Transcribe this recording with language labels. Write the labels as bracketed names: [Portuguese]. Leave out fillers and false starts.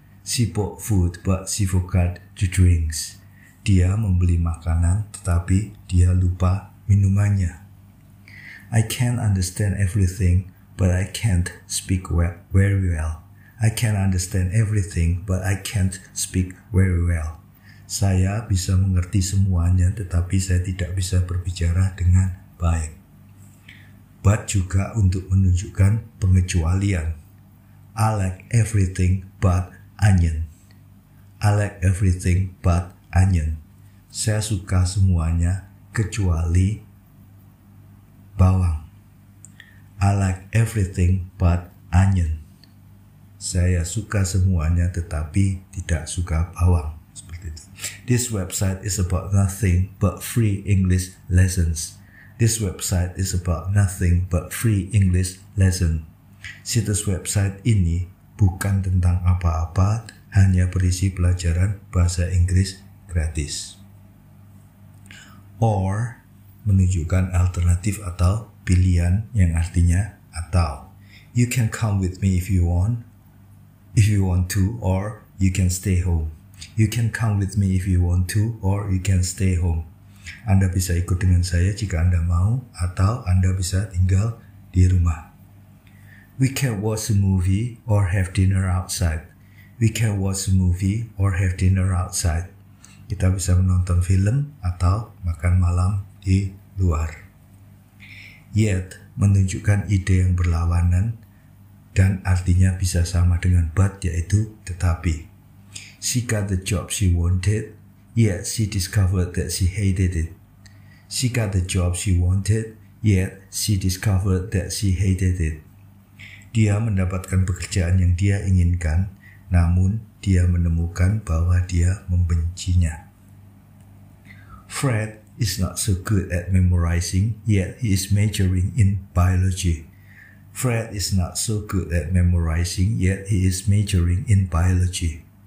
[English] She bought food, but she forgot the drinks. [Indonesian] Dia membeli makanan, tetapi dia lupa minumannya. [English] I can't understand everything, but I can't speak very well. I can't understand everything, but I can't speak very well. [Indonesian] Saya bisa mengerti semuanya, tetapi saya tidak bisa berbicara dengan baik. [English] But [Indonesian] juga untuk menunjukkan pengecualian. [English] I like everything but onion. I like everything but onion. [Indonesian] Saya suka semuanya kecuali bawang. [English] I like everything but onion. [Indonesian] Saya suka semuanya tetapi tidak suka bawang. Seperti itu. [English] This website is about nothing but free English lessons. This website is about nothing but free English lesson. [Indonesian] Situs website ini bukan tentang apa-apa, hanya berisi pelajaran bahasa Inggris gratis. Or menunjukkan alternatif atau pilihan yang artinya atau. [English] You can come with me if you want to, or you can stay home. You can come with me if you want to, or you can stay home. [Indonesian] Anda bisa ikut dengan saya jika Anda mau, atau Anda bisa tinggal di rumah. [English] We can watch a movie or have dinner outside. We can watch a movie or have dinner outside. [Indonesian] Kita bisa menonton film atau makan malam di luar. Yet menunjukkan ide yang berlawanan dan artinya bisa sama dengan but, yaitu tetapi. [English] She got the job she wanted. Yet she discovered that she hated it. She got the job she wanted, yet she discovered that she hated it. [Indonesian] Dia mendapatkan pekerjaan yang dia inginkan, namun dia menemukan bahwa dia membencinya. [English] Fred is not so good at memorizing, yet he is majoring in biology. Fred is not so good at memorizing, yet he is majoring in biology.